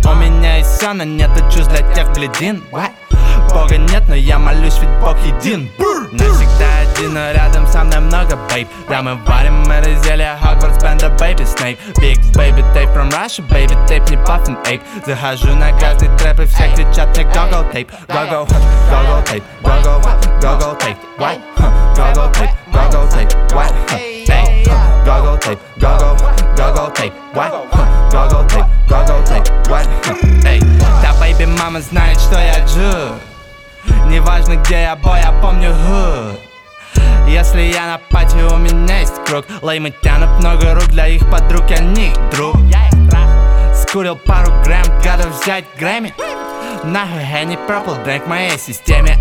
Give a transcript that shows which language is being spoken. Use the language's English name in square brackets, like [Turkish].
[Russian] У меня есть все, но нету чувств для тех блядин. Бога нет, но я молюсь, ведь Бог един. Навсегда один, но рядом со мной много, бейб. Да мы варим это зелье, Hogwarts, Panda, Baby Snake. [English] Big Baby Tape from Russia, Baby Tape, не puffin ape. [Russian] Захожу на каждый трэп, и все кричат мне Goggle Tape. [English] Goggle, Goggle Tape, Goggle, Goggle Tape. What? Goggle Tape, Goggle Tape, what? Goggle Tape, Goggle, Goggle Tape, what? Goggle Tape, Goggle Tape, what? [Russian] Baby мама знает, что я джу. Неважно, где я бой, я помню who. Если я на пати, у меня есть круг. Леймы тянут много рук для их подруг, я не их друг. Скурил пару грамм, гадов взять грэмми. Нахуй Henny Purple Drink в моей системе.